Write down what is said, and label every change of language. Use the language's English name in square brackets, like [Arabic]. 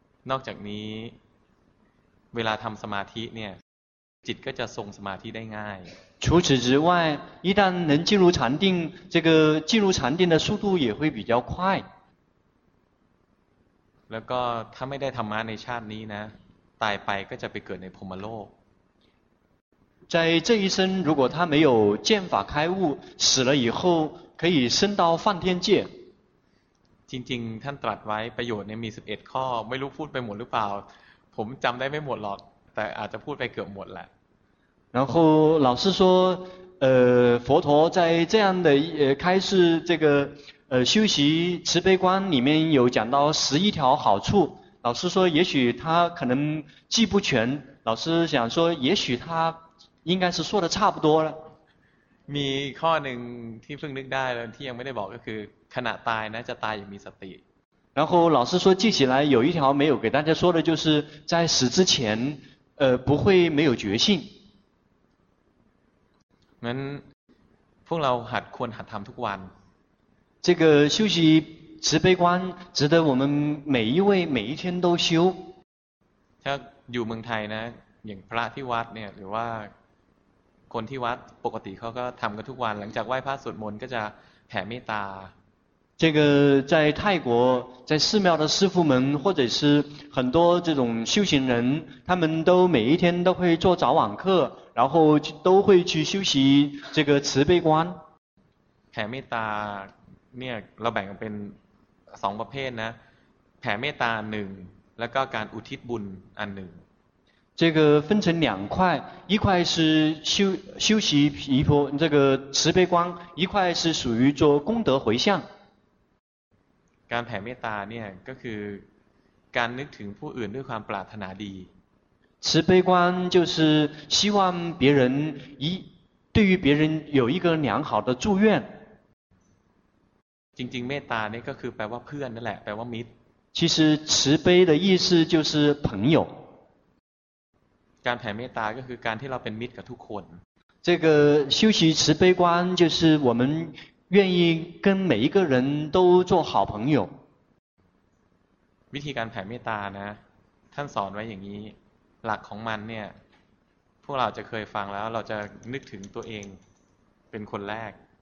[Thai] นอกจากนี้เวลาทำสมาธิเนี่ยจิตก็จะทรงสมาธิได้ง่าย [Chinese] 除此之外一旦能进入禅定这个进入禅定的速度也会比较快 [Thai] แล้วก็ถ้าไม่ได้ธรรมะในชาตินี้นะตายไปก็จะไปเกิดในพรหมโลก [Chinese] 在这一生如果他没有见法开悟死了以后可以升到梵天界 [Thai] จริงๆท่านตรัสไว้ประโยชน์เนี่ยมี11ข้อไม่รู้พูดไปหมดหรือเปล่าผมจำได้ไม่หมดหรอกแต่อาจจะพูดไปเกือบหมดแหละ [Chinese] 然后老师说佛陀在这样的开示这个修习慈悲观里面有讲到11条好处老师说也许他可能记不全老师想说也许他应该是说的差不多了 [Thai] มีข้อหนึ่งที่เพิ่งนึกได้แล้วที่ยังไม่ได้บอกก็คือขณะตายนะจะตายอย่างมีสติ [Chinese] 然后老师说记起来有一条没有给大家说的就是在死之前不会没有决心 [Thai] งั้นพวกเราหัดควรหัดทำทุกวัน [Chinese] 这个修习慈悲观值得我们每一位每一天都修 [Thai] ถ้าอยู่เมืองไทยนะอย่างพระที่วัดเนี่ยหรือว่าคนที่วัดปกติเขาก็ทำกันทุกวันหลังจากไหว้พระสวดมนต์ก็จะแผ่เมตตา [Chinese] 这个在泰国在寺庙的师父们或者是很多这种修行人他们都每一天都会做早晚课然后都会去修习这个慈悲观 [Thai] แผ่เมตตาเนี่ยเราแบ่งเป็น2ประเภทนะแผ่เมตตา1แล้วก็การอุทิศบุญอันหนึ่ง [Chinese] 这个分成两块一块是 修习皮婆这个慈悲观一块是属于做功德回向 [Thai] การแผ่เมตตาเนี่ยก็คือการนึกถึงผู้อื่นด้วยความปรารถนาดี [Chinese] 慈悲观就是希望别人对于别人有一个良好的祝愿 [Thai] จริงๆเมตตาเนี่ยก็คือแปลว่าเพื่อนนั่นแหละแปลว่ามิตร [Chinese] 其实慈悲的意思就是朋友 [Thai] การแผ่เมตตาก็คือการที่เราเป็นมิตรกับทุกคน [Chinese] 这个修习慈悲观就是我们愿意跟每一个人都做好朋友 [Thai] วิธีการแผ่เมตตานะท่านสอนไว้อย่างนี้หลักของมันเนี่ยพวกเราจะเคยฟังแล้วเราจะนึกถึงตัวเองเป็นคนแรก